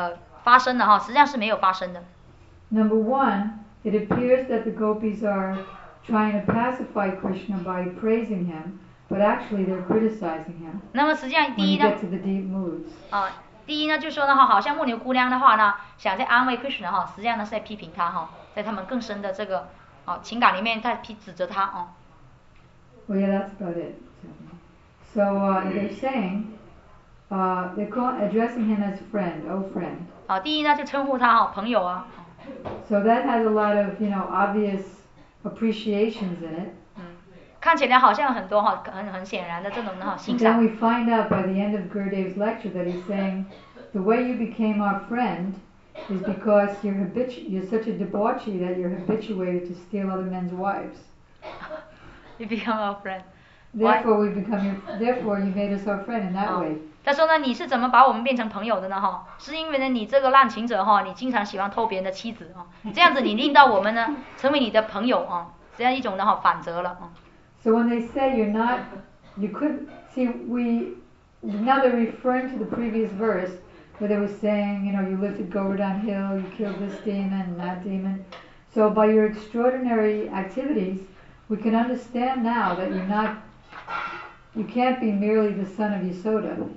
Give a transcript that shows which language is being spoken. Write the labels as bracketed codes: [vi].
[zh] 那么好像有两个事情在这里面呢，就是说呢，发生了，实际上是没有发生的。Number [en] one, it appears that the gopis are trying to pacify Krishna by praising him. But actually, they're criticizing him. [zh] 那么实际上，第一呢，就说呢，好像木牛姑娘的话呢，想在安慰 Krishna 哈，实际上呢是在批评他哈，在他们更深的这个情感里面在批指责他。 [en] Well, yeah, that's about it. So they're saying, they're addressing him as friend, oh friend. [zh] 第一呢，就称呼他哈，朋友啊。So [en] that has a lot of, you know, obvious appreciations in it. [zh] 看起来好像很多很显然的这种欣赏。 [en] Then we find out by the end of Gurudev's lecture that he's saying, the way you became our friend is because you're such a debauchee that you're habituated to steal other men's wives. You become our friend. Therefore we become your, therefore you made us our friend in that way. [zh] 他说呢，你是怎么把我们变成朋友的呢？是因为呢，你这个滥情者，你经常喜欢偷别人的妻子，这样子你令到我们呢，成为你的朋友，这样一种反则了。 [en] So when they say you're not, you couldn't, see, now they're referring to the previous verse where they were saying, you know, you lifted Govardhan Hill, you killed this demon and that demon. So by your extraordinary activities, we can understand now that you're not, you can't be merely the son of Yasoda.